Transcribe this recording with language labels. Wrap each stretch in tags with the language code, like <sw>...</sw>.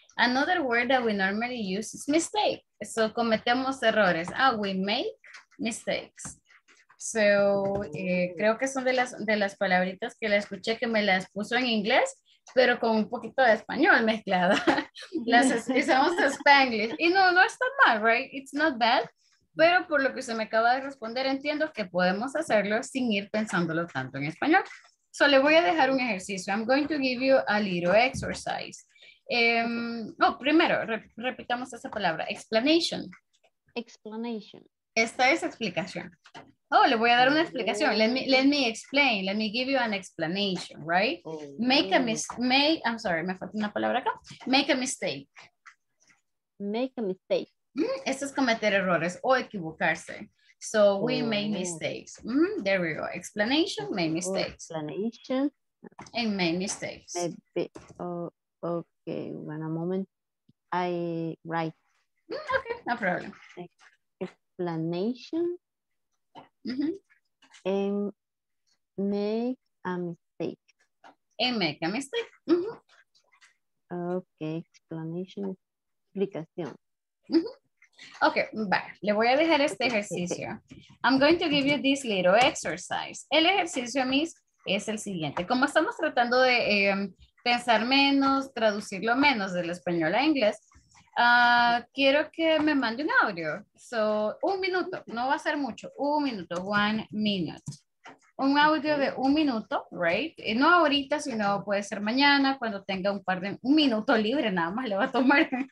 <en>Another word that we normally use is mistake. So,</en> <es>cometemos errores.</es> <en>We make mistakes.</en> <es>So, creo que son de las palabritas que la escuché que me las puso en inglés, pero con un poquito de español mezclada. Las utilizamos en Spanglish. Y no está mal,</es> <en>right? It's not bad.</en> <es>Pero por lo que usted me acaba de responder, entiendo que podemos hacerlo sin ir pensándolo tanto en español. So, le voy a dejar un ejercicio.</es> <en>I'm going to give you a little exercise.</en> <es>Repitamos esa palabra. Explanation.</es> <en>Explanation.</en> <es>Esta es explicación. Oh, le voy a dar una explicación.</es> <en>Let me explain. Let me give you an explanation, right?</en> <es>Me faltó una palabra acá. Make a mistake. Esto es cometer errores o equivocarse.</es> <en>So we make mistakes. There we go. Explanation, make mistakes. Explanation. And make mistakes. Maybe. Oh, okay. One moment. I write. Okay, no problem. Explanation. Mm-hmm. And make a mistake. And make a mistake. Mm-hmm. Okay, explanation, explicación. Mm-hmm.</en> <es>Okay, bye. Le voy a dejar este ejercicio.</es> <en>I'm going to give you this little exercise.</en> <es>El ejercicio, Miss, es el siguiente. Como estamos tratando de pensar menos, traducirlo menos del español a inglés, quiero que me mande un audio. So, un minuto, no va a ser mucho. Un minuto, 1 minute. Un audio de un minuto, right? Y no ahorita, sino puede ser mañana, cuando tenga un minuto libre, nada más le va a tomar.</es>